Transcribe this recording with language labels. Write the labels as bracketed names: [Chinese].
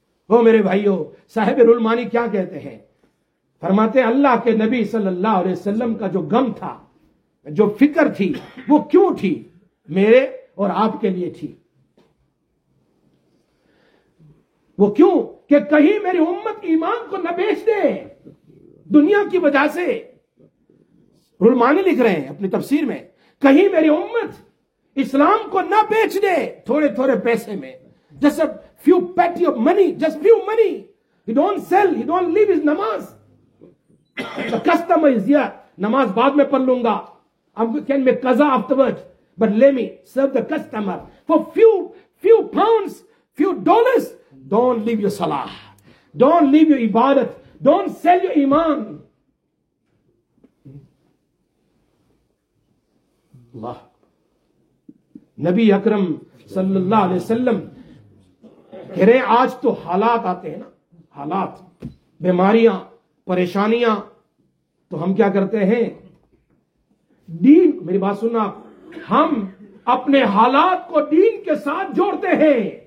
[Hindi] ओ मेरे भाइयों, साहिब रुल मानी क्या कहते हैं, फरमाते हैं अल्लाह के नबी सल्लल्लाहु अलैहि वसल्लम का जो गम था, जो फिक्र थी, वो क्यों थी, मेरे और आपके लिए थी, वो क्यों कि कहीं मेरी उम्मत ईमान को न बेच दे दुनिया की वजह से। रुल मानी लिख रहे हैं अपनी तफसीर में, कहीं मेरी उम्मत इस्लाम को न बेच दे थोड़े थोड़े पैसे में, जैसे [English] few petty of money, just few money, he don't sell, he don't leave his namaz, the customer is here, [Hindi] namaz baad mein pad lunga, [English] I can make qaza afterwards, but let me serve the customer for few pounds, few dollars, don't leave your salah, don't leave your ibadat, don't sell your iman. [Hindi] Allah, Nabi Akram sallallahu alaihi wasallam कह रहे आज तो हालात आते हैं ना, हालात, बीमारियां, परेशानियां, तो हम क्या करते हैं, दीन, मेरी बात सुनना, हम अपने हालात को दीन के साथ जोड़ते हैं,